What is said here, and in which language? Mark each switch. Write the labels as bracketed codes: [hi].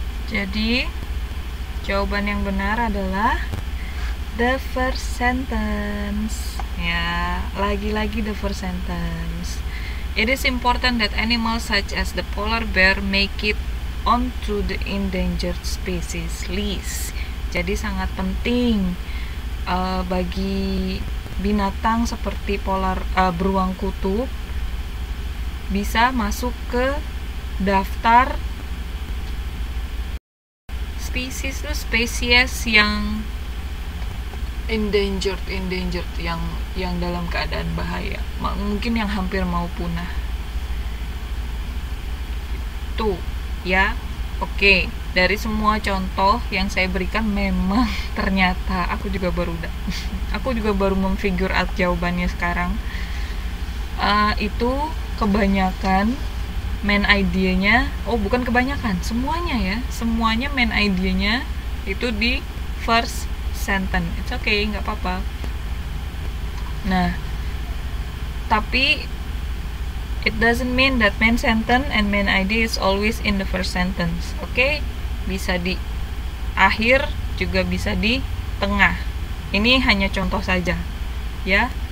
[id] Jadi, jawaban yang benar adalah [en] the first sentence. [id] Ya, lagi-lagi [en] the first sentence. It is important that animals such as the polar bear make it onto the endangered species list. [id] Jadi sangat penting bagi binatang seperti polar beruang kutub bisa masuk ke daftar spesies itu spesies yang endangered yang dalam keadaan bahaya, mungkin yang hampir mau punah. Itu ya. Oke, dari semua contoh yang saya berikan memang ternyata aku juga baru memfigure out jawabannya sekarang. Itu kebanyakan main idenya, oh bukan kebanyakan, semuanya ya, semuanya main idenya itu di first sentence. [en] It's okay, [id] nggak apa-apa. Nah, tapi [en] It doesn't mean that main sentence and main idea is always in the first sentence. Okay? [id] Bisa di akhir, juga bisa di tengah. Ini hanya contoh saja. Ya?